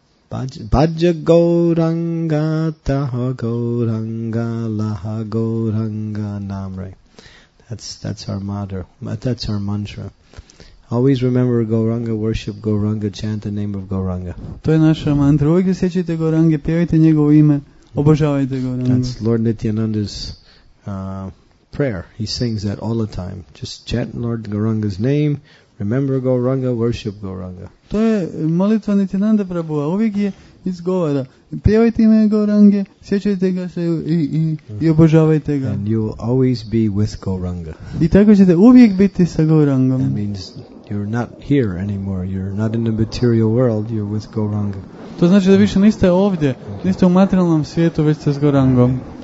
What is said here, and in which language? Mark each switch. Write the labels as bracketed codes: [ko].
[sa] Bhaja Gauranga, taha Gauranga, laha Gauranga, namre. [en] That's our mantra. Always remember Gauranga, worship Gauranga, chant the name of Gauranga. [hr] To je naša mantra. Uvijek sjećajte Gauranga, pjevajte njegovo ime, obožavajte Gauranga. [en] That's Lord Nityananda's prayer. He sings that all the time. Just chant Lord Gauranga's name, remember Gauranga, worship Gauranga. [hr] To je molitva Nityananda Prabhuva. Uvijek je izgovara. Pjevajte ime Gauranga, sjećajte ga se i obožavajte ga. [en] And you'll always be with Gauranga. [hr] I tako ćete uvijek biti sa Gaurangom. [en] That means you're not here anymore. You're not in the material world. You're with Gauranga. [hr] To znači da više niste ovdje. Niste u materijalnom svijetu, već ste s Gaurangom.